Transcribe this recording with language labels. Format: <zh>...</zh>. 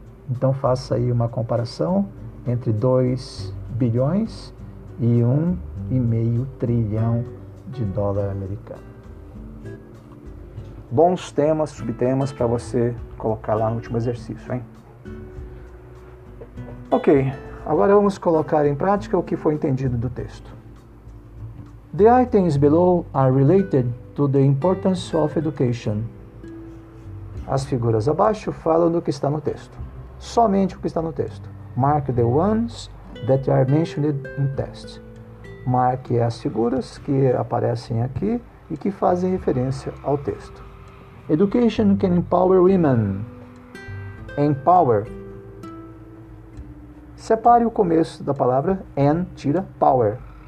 <pt>Então faça aí uma comparação entre 2 bilhões e 1,5 trilhão de dólar americano. Bons temas, subtemas para você colocar lá no último exercício, hein? Ok. Agora vamos colocar em prática o que foi entendido do texto.</pt> <en>The items below are related to the importance of education.</en> <pt>As figuras abaixo falam do que está no texto. Somente o que está no texto.</pt> <en>Mark the ones that are mentioned in text.</en> <pt>Marque as figuras que aparecem aqui e que fazem referência ao texto.</pt> <en>Education can empower women. Empower.</en> <pt>Separe o começo da palavra and, tira power.</pt>